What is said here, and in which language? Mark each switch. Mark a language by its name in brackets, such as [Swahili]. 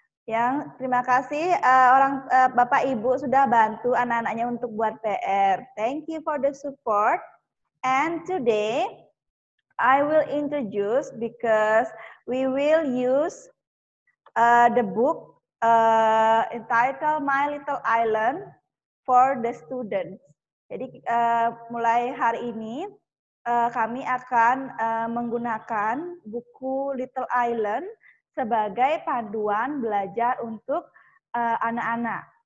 [Indonesian] Yang terima kasih orang Bapak Ibu sudah bantu anak-anaknya untuk buat PR. [English] Thank you for the support. And today I will introduce because we will use the book entitled My Little Island for the students. [Indonesian] Jadi mulai hari ini kami akan menggunakan buku Little Island sebagai panduan belajar untuk anak-anak.